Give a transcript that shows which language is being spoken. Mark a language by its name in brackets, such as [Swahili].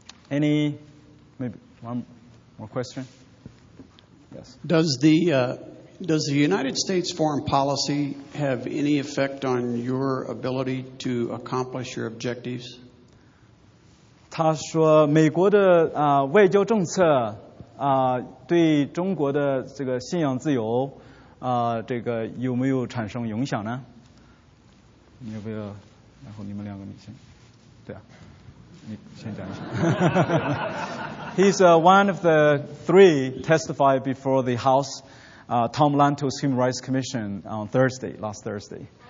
[English] Maybe one more question? Yes. Does the United States foreign policy have any effect on your ability to accomplish your objectives? [Chinese] 他说美国的外交政策对中国的这个信仰自由这个有没有产生影响呢？你要不要，然后你们两个你先，对啊，你先讲一下。 [English] He's one of the three testified before the House Tom Lantos Human Rights Commission on Thursday, last Thursday.